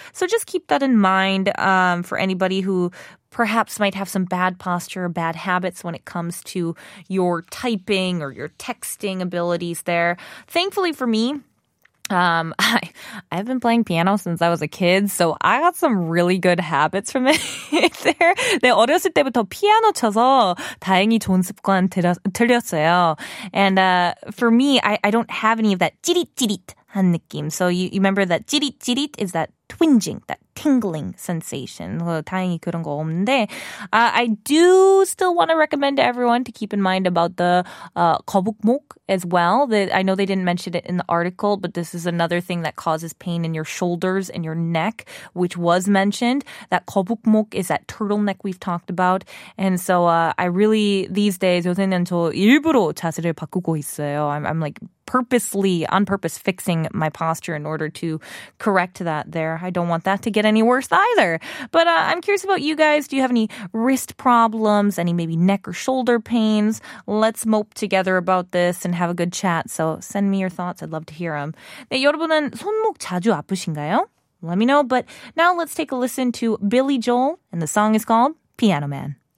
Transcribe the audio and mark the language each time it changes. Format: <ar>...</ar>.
<en>So just keep that in mind for anybody who perhaps might have some bad posture, bad habits when it comes to your typing or your texting abilities there. Thankfully for me, I've been playing piano since I was a kid, so I got some really good habits from it there.</en> <ko>네, 어렸을 때부터 피아노 쳐서 다행히 좋은 습관 들렸어요.</ko> <en>And for me, I don't have any of that</en> <ko>찌릿찌릿한 느낌.</ko> <en>So you remember that 찌릿찌릿 is that twinging, that tingling sensation.</en> <ko>다행히 그런 거 없는데.</ko> <en>I do still want to recommend to everyone to keep in mind about the 거북목 as well. I know they didn't mention it in the article, but this is another thing that causes pain in your shoulders and your neck, which was mentioned. That 거북목 is that turtleneck we've talked about. And so I really, these days,</en> <ko>요새는 저 일부러 자세를 바꾸고 있어요.</ko> <en>I'm like purposely, on purpose, fixing my posture in order to correct that there. I don't want that to get any worse either. But I'm curious about you guys. Do you have any wrist problems? Any maybe neck or shoulder pains? Let's mope together about this and have a good chat. So send me your thoughts. I'd love to hear them.</en> <ko>네, 여러분은 손목 자주 아프신가요?</ko> <en>Let me know. But now let's take a listen to Billy Joel, and the song is called Piano Man.</en>